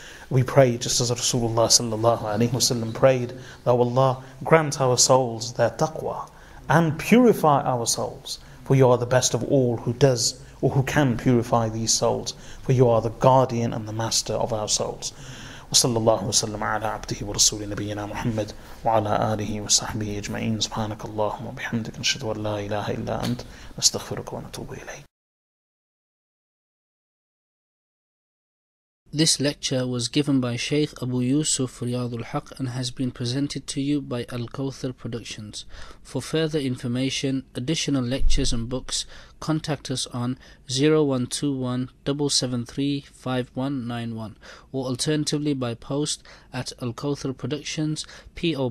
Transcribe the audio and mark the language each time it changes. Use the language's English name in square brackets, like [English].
[English] We pray just as Rasulullah sallallahu alaihi wasallam prayed, that Allah grant our souls their taqwa and purify our souls, for you are the best of all who does or who can purify these souls, for you are the guardian and the master of our souls. [Arabic] وصلى الله وسلم على عبده ورسول نبينا محمد وعلى آله وصحبه أجمعين سبحانك اللهم وبحمدك نشهد أن لا إله إلا أنت نستغفرك ونتوب إليك. [English] This lecture was given by Shaykh Abu Yusuf Riyadh al-Haq and has been presented to you by Al-Kawthar Productions. For further information, additional lectures and books, contact us on 0121-773-5191 or alternatively by post at Al-Kawthar Productions, P.O.